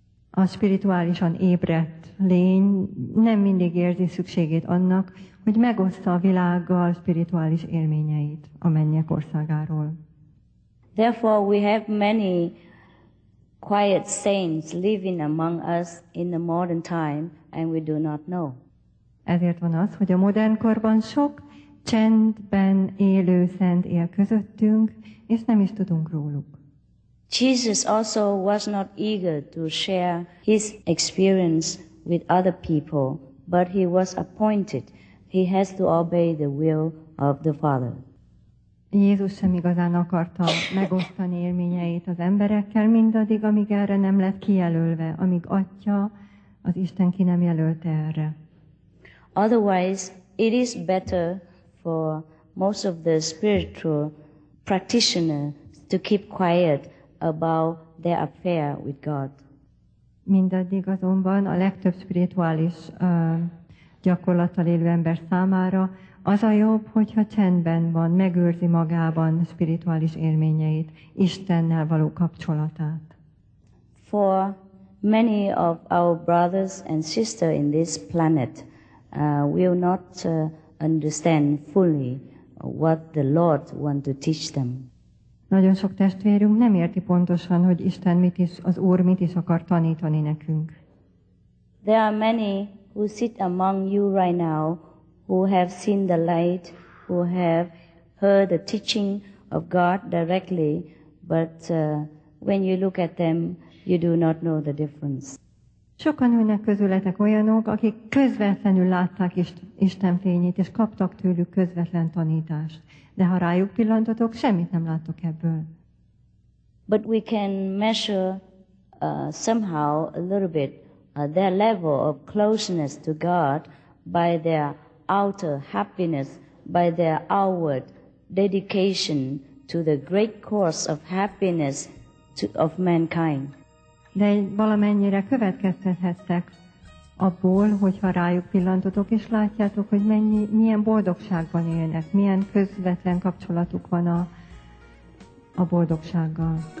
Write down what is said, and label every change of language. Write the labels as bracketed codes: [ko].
[hu] A spirituálisan ébredt lény nem mindig érzi szükségét annak, hogy megoszta a világgal spirituális élményeit a mennyek országáról. [en] Therefore, we have many quiet saints living among us in the modern time, and we do not know. [hu] Ezért van az, hogy a modern korban sok csendben élő szent él közöttünk, és nem is tudunk róluk. [en] Jesus also was not eager to share his experience with other people, but he was appointed. He has to obey the will of the Father. [hu] Jézus sem igazán akarta megosztani élményeit az emberekkel, mindaddig, amíg erre nem lett kijelölve, amíg Atya, az Isten ki nem jelölte erre. [en] Otherwise, it is better for most of the spiritual practitioners to keep quiet about their affair with God. [hu] Mindaddig azonban a legtöbb spirituális gyakorlattal élő ember számára az a jobb, hogyha csendben van, megőrzi magában spirituális élményeit, Istennel való kapcsolatát. [en] For many of our brothers and sisters in this planet will not understand fully what the Lord want to teach them. [hu] Nagyon sok testvérünk nem érti pontosan, hogy Isten mit is, az Úr mit is akar tanítani nekünk. [en] There are many who sit among you right now who have seen the light, who have heard the teaching of God directly, but when you look at them, you do not know the difference. [hu] Sokan ülnek közületek olyanok, akik közvetlenül látták Isten fényét, és kaptak tőlük közvetlen tanítást. De ha rájuk pillantatok, semmit nem láttok ebből. [en] But we can measure somehow a little bit their level of closeness to God by their outer happiness, by their outward dedication to the great cause of happiness of mankind. [hu] De valamennyire következtethettek abból, hogyha rájuk pillantotok, és látjátok, hogy milyen boldogságban élnek, milyen közvetlen kapcsolatuk van a boldogsággal.